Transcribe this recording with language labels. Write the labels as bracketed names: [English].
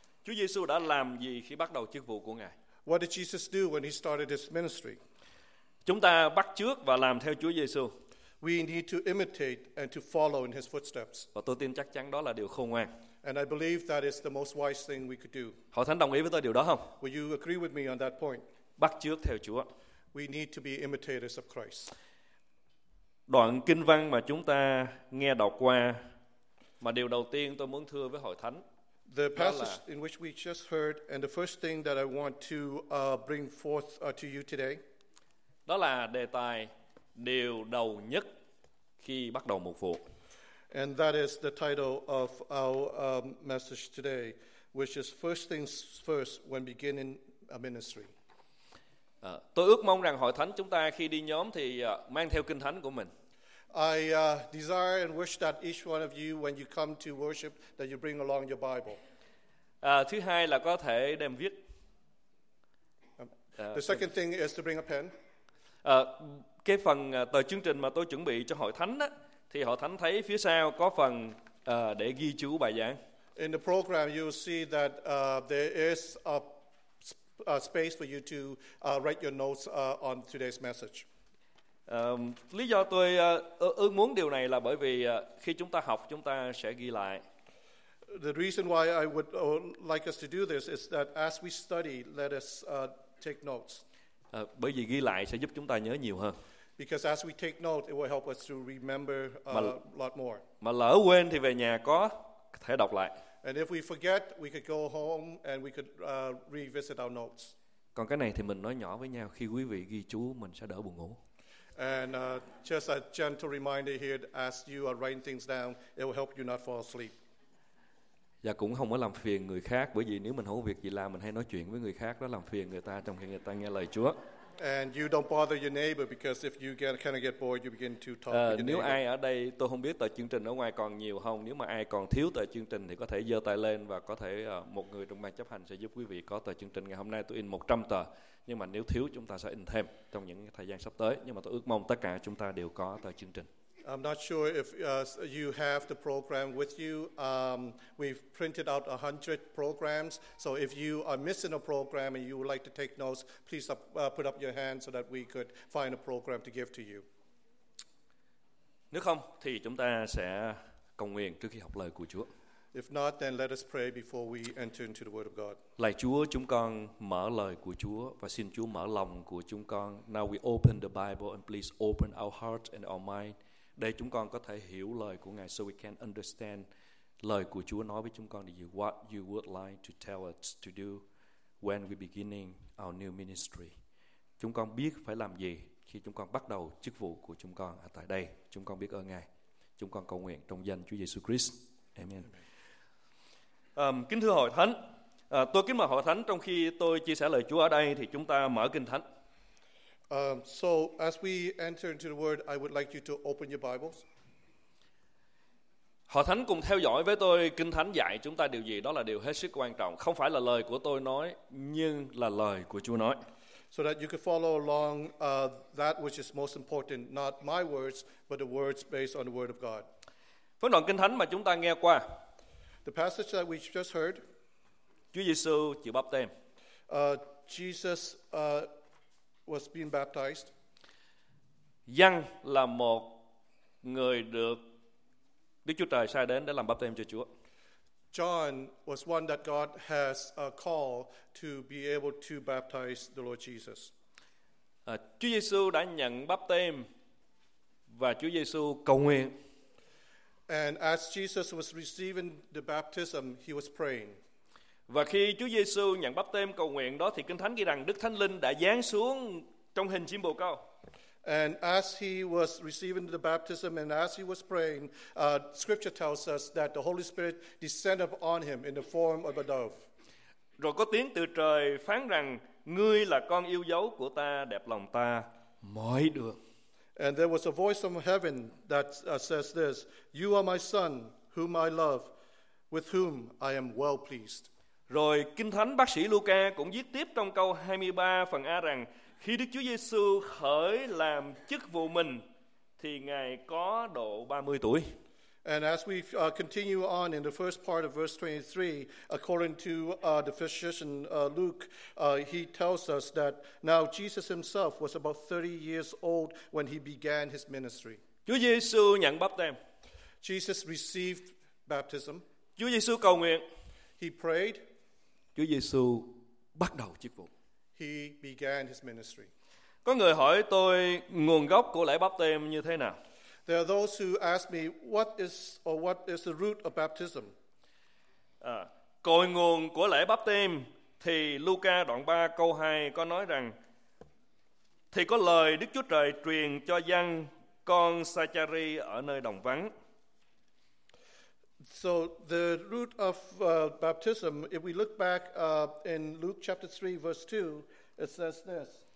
[Vietnamese] Chúa Giêsu đã làm gì khi bắt đầu chức vụ của Ngài? [English] What did Jesus do when he started his ministry? [Vietnamese] Chúng ta bắt chước và làm theo Chúa Giêsu. [English] We need to imitate and to follow in his footsteps. [Vietnamese] Và tôi tin chắc chắn đó là điều khôn ngoan. [English] And I believe that is the most wise thing we could do. [Vietnamese] Hội Thánh đồng ý với tôi điều đó không? [English] Will you agree with me on that point? [Vietnamese] Bắt chước theo Chúa. [English] We need to be imitators of Christ. [Vietnamese] Đoạn kinh văn mà chúng ta nghe đọc qua, mà điều đầu tiên tôi muốn thưa với Hội Thánh, [English] the passage in which we just heard and the first thing that I want to bring forth to you today, [Vietnamese] đó là đề tài điều đầu nhất khi bắt đầu mục vụ. [English] And that is the title of our message today, which is First Things First When Beginning a Ministry. [Vietnamese] Tôi ước mong rằng Hội Thánh chúng ta khi đi nhóm thì mang theo Kinh Thánh của mình. [English] I desire and wish that each one of you, when you come to worship, that you bring along your Bible. [Vietnamese] Thứ hai là có thể đem viết. [English] The second thing is to bring a pen. [Vietnamese] Cái phần tờ chương trình mà tôi chuẩn bị cho Hội Thánh á, thì Hội Thánh thấy phía sau có phần để ghi chú bài giảng. [English] In the program, you will see that there is a space for you to write your notes on today's message. [Vietnamese] Lý do tôi ước muốn điều này là bởi vì khi chúng ta học, chúng ta sẽ ghi lại. [English] The reason why I would like us to do this is that as we study, let us take notes. [Vietnamese] Bởi vì ghi lại sẽ giúp chúng ta nhớ nhiều hơn. [English] Because as we take note, it will help us to remember a lot more. [Vietnamese] Mà lỡ quên thì về nhà có thể đọc lại. [English] And if we forget, we could go home and we could revisit our notes. [Vietnamese] Còn cái này thì mình nói nhỏ với nhau, khi quý vị ghi chú mình sẽ đỡ buồn ngủ. [English] And just a gentle reminder here, as you are writing things down, it will help you not fall asleep. [Vietnamese] Và cũng không có làm phiền người khác, bởi vì nếu mình không có việc gì làm, mình hay nói chuyện với người khác, đó làm phiền người ta trong khi người ta nghe lời Chúa. [English] And you don't bother your neighbor because if you get kind of get bored, you begin to talk with your neighbor. [Vietnamese] Nếu ai ở đây, tôi không biết tờ chương trình ở ngoài còn nhiều không, nếu mà ai còn thiếu tờ chương trình thì có thể giơ tay lên và có thể một người trong ban chấp hành sẽ giúp quý vị có tờ chương trình. Ngày hôm nay tôi in 100 tờ, nhưng mà nếu thiếu chúng ta sẽ in thêm trong những thời gian sắp tới. Nhưng mà tôi ước mong tất cả chúng ta đều có tờ chương trình. [English] I'm not sure if you have the program with you. We've printed out 100 programs. So if you are missing a program and you would like to take notes, please put up your hand so that we could find a program to give to you. [Vietnamese] Nếu không, thì chúng ta sẽ cầu nguyện trước khi học lời của Chúa. [English] If not, then let us pray before we enter into the Word of God. [Vietnamese] Lạy Chúa, chúng con mở lời của Chúa và xin Chúa mở lòng của chúng con. [English] Now we open the Bible and please open our hearts and our mind. [Vietnamese] Để chúng con có thể hiểu lời của Ngài, [English] so we can understand [Vietnamese] lời của Chúa nói với chúng con là [English] what you would like to tell us to do when we beginning our new ministry. [Vietnamese] Chúng con biết phải làm gì khi chúng con bắt đầu chức vụ của chúng con ở tại đây. Chúng con biết ơn Ngài. Chúng con cầu nguyện trong danh Chúa Giêsu Christ. Amen. Kính thưa hội thánh, tôi kính mời hội thánh trong khi tôi chia sẻ lời Chúa ở đây thì chúng ta mở Kinh Thánh. [English] So as we enter into the word, I would like you to open your Bibles. [Vietnamese] Hội thánh cùng theo dõi với tôi, Kinh Thánh dạy chúng ta điều gì? Đó là điều hết sức quan trọng, không phải là lời của tôi nói, nhưng là lời của Chúa nói. [English] So that you could follow along that which is most important, not my words, but the words based on the word of God. [Vietnamese] Phần đoạn Kinh Thánh mà chúng ta nghe qua. [English] The passage that we just heard. [Vietnamese] Chúa Giêsu chịu báp têm. [English] Jesus was being baptized. [Vietnamese] Giăng là một người được Đức Chúa Trời sai đến để làm báp têm cho Chúa. [English] John was one that God has a call to be able to baptize the Lord Jesus. [Vietnamese] Chúa Giêsu đã nhận báp têm và Chúa Giêsu cầu nguyện. [English] And as Jesus was receiving the baptism, he was praying. [Vietnamese] Và khi Chúa Giêsu nhận báp têm cầu nguyện đó thì Kinh Thánh ghi rằng Đức Thánh Linh đã giáng xuống trong hình chim bồ câu. [English] And as he was receiving the baptism and as he was praying, scripture tells us that the Holy Spirit descended upon him in the form of a dove. [Vietnamese] Rồi có tiếng từ trời phán rằng: "Ngươi là con yêu dấu của ta, đẹp lòng ta mọi đường." [English] And there was a voice from heaven that says this: "You are my son, whom I love, with whom I am well pleased." [Vietnamese] Rồi Kinh Thánh bác sĩ Luca cũng viết tiếp trong câu 23 phần A rằng khi Đức Chúa Giêsu khởi làm chức vụ mình thì Ngài có độ 30 tuổi. [English] And as we continue on in the first part of verse 23, according to the physician Luke, he tells us that now Jesus himself was about 30 years old when he began his ministry. [Vietnamese] Chúa Giêsu nhận báp têm. [English] Jesus received baptism. [Vietnamese] Chúa Giêsu cầu nguyện. [English] He prayed. [Vietnamese] Chúa Giêsu bắt đầu chức vụ. [English] He began his ministry. [Vietnamese] Có người hỏi tôi nguồn gốc của lễ báp têm như thế nào? [English] There are those who ask me what is the root of baptism. [Vietnamese] Cội nguồn của lễ báp têm thì Luca đoạn 3 câu 2 có nói rằng thì có lời Đức Chúa Trời truyền cho dân con Sa-cha-ri ở nơi đồng vắng. [English] So the root of baptism, if we look back in Luke chapter 3, verse 2, it says this.